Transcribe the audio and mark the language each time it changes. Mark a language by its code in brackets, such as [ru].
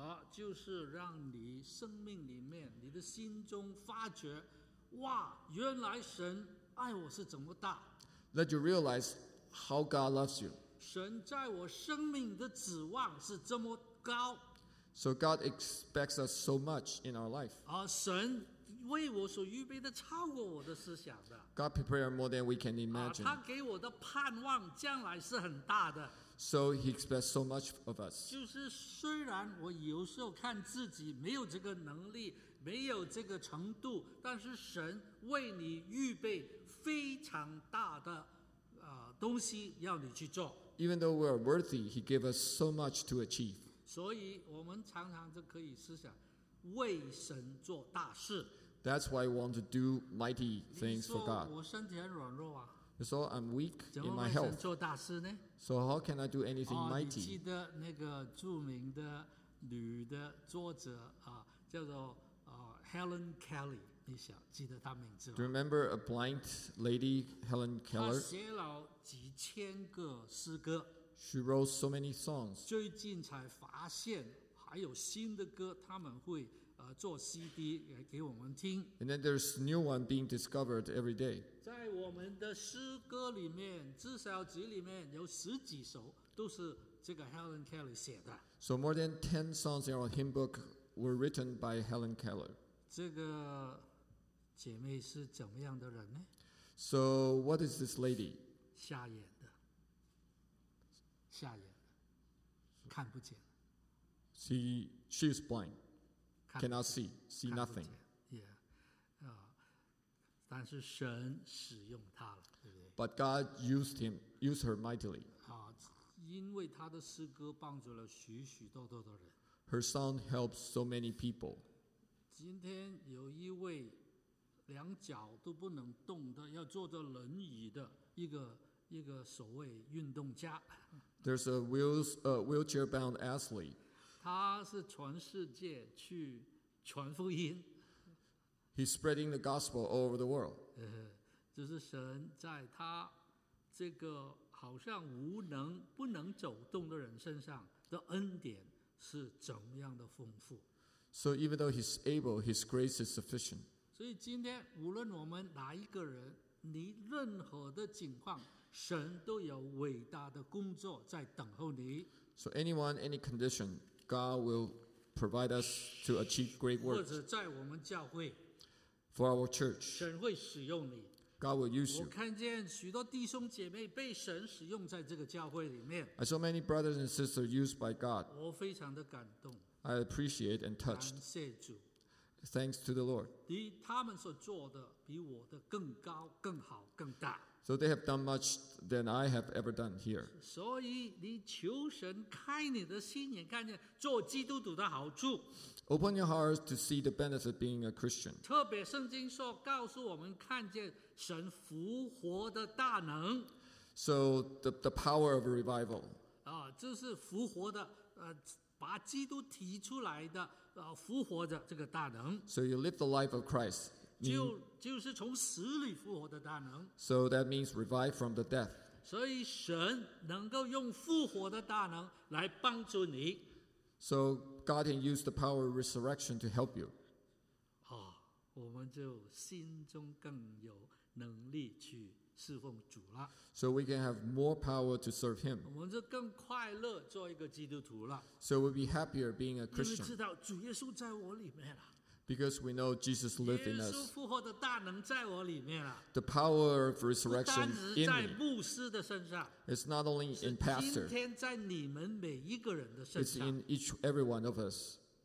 [zh] 就是让你生命里面，你的心中发觉，哇，原来神爱我是怎么大。 [en] Let you realize how God loves you. [zh] 神在我生命的指望是这么高。 [en] So God expects us so much in our life. [zh] 神为我所预备的超过我的思想的。 [en] God prepared more than we can imagine. [zh] 他给我的盼望将来是很大的。 [en] So He expects so much of us. [zh] 就是虽然我有时候看自己没有这个能力，没有这个程度，但是神为你预备非常大的东西要你去做。 [en] Even though we are worthy, He gave us so much to achieve. [zh] 所以我们常常就可以思想，为神做大事。 [en] That's why I want to do mighty things for God. [zh] 你说我身体很软弱啊。 [en] You saw I'm weak in my health. [zh] 怎么为神做大事呢？ [en] So how can I do anything mighty? [zh] 你记得那个著名的女的作者啊，叫做Helen Keller。你想记得他名字吗？ [en] Do you remember a blind lady, Helen Keller? [zh] 她写了几千个诗歌。 [en] She wrote so many songs. [zh] 最近才发现还有新的歌，他们会做 CD 来给我们听。 [en] And then there's new one being discovered every day. [zh] 在我们的诗歌里面，至少集里面有十几首都是这个 Helen Keller 写的。 [en] So more than 10 songs in our hymn book were written by Helen Keller. [zh] 这个姐妹是怎么样的人呢？ [en] So what is this lady? [zh] 瞎眼的，瞎眼的，看不见。 [en] She is blind, cannot see nothing. Yeah. [zh] 但是神使用她了，对不对？ [en] But God used her mightily. [zh] 因为她的诗歌帮助了许许多多的人。 [en] Her song helps so many people. [zh] 今天有一位两脚都不能动的，要坐着轮椅的一个所谓运动家。 [en] There's a wheelchair-bound athlete. [zh] 他是全世界去传福音。 [en] He's spreading the gospel all over the world. [zh] 就是神在他这个好像无能、不能走动的人身上的恩典是怎么样的丰富。 [en] So even though he's able, his grace is sufficient. [zh] 所以今天无论我们哪一个人，你任何的境况，神都有伟大的工作在等候你。 [en] So anyone, any condition, God will provide us to achieve great work. [zh] 或者在我们教会 [en] ，for our church, [zh] 神会使用你。 [en] God will use you. [zh] 我看见许多弟兄姐妹被神使用在这个教会里面。 [en] I saw many brothers and sisters used by God. [zh] 我非常的感动。 [en] I appreciate and touched. [zh] 感谢主。 [en] Thanks to the Lord. [zh] 他们所做的比我的更高、更好、更大。 [en] So they have done much than I have ever done here. [zh] 所以你求神开你的心眼，看见做基督徒的好处。 [en] Open your hearts to see the benefit of being a Christian. [zh] 特别圣经说，告诉我们看见神复活的大能。 [en] So the power of a revival. [zh] 就是复活的把基督提出来的复活的这个大能。 [en] So you live the life of Christ. [zh] 就是从死里复活的大能。 [en] So that means revive from the death. [zh] 所以神能够用复活的大能来帮助你。 [en] So God can use the power of resurrection to help you. [zh] 哦，我们就心中更有能力去侍奉主了。 [en] So we can have more power to serve Him. [zh] 我们就更快乐做一个基督徒了。 [en] So we'll be happier being a Christian. [zh] 因为知道主耶稣在我里面了。 [en] Because we know Jesus lives in us. The power of resurrection in me. It's not only in pastor. It's in each every one of us.